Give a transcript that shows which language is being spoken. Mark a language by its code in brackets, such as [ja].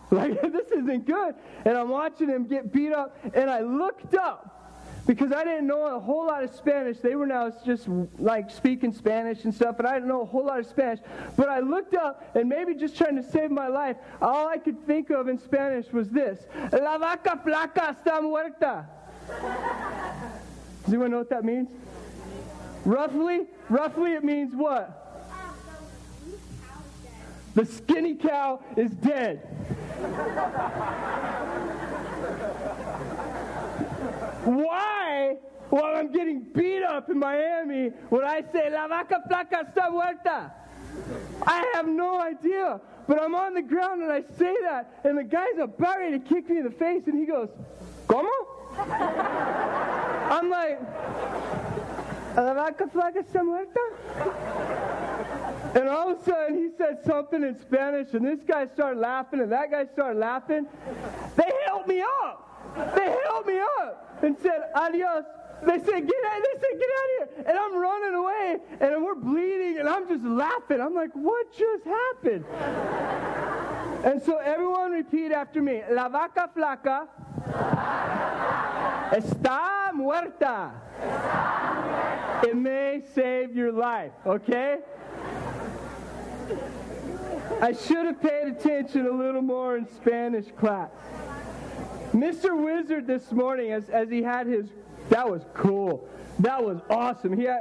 [en] Like, this isn't good. And I'm watching him get beat up, and I looked up. Because I didn't know a whole lot of Spanish. They were now just like speaking Spanish and stuff, and I didn't know a whole lot of Spanish. But I looked up, and maybe just trying to save my life, all I could think of in Spanish was this. [es] La vaca flaca está muerta. [en] Does anyone know what that means? Roughly it means what? The skinny cow is dead. Why, while I'm getting beat up in Miami, would I say, [es] la vaca flaca está muerta? [en] I have no idea, but I'm on the ground and I say that, and the guy's about ready to kick me in the face, and he goes, ¿cómo? I'm like, [es] la vaca flaca está muerta? [en] And all of a sudden, he said something in Spanish, and this guy started laughing, and that guy started laughing. They helped me up. They held me up and said, adios. They said, get out of here. And I'm running away, and we're bleeding, and I'm just laughing. I'm like, what just happened? And so everyone repeat after me. [es] La vaca flaca está muerta. [en] It may save your life, okay? I should have paid attention a little more in Spanish class. Mr. Wizard this morning, as he had his, that was cool, that was awesome.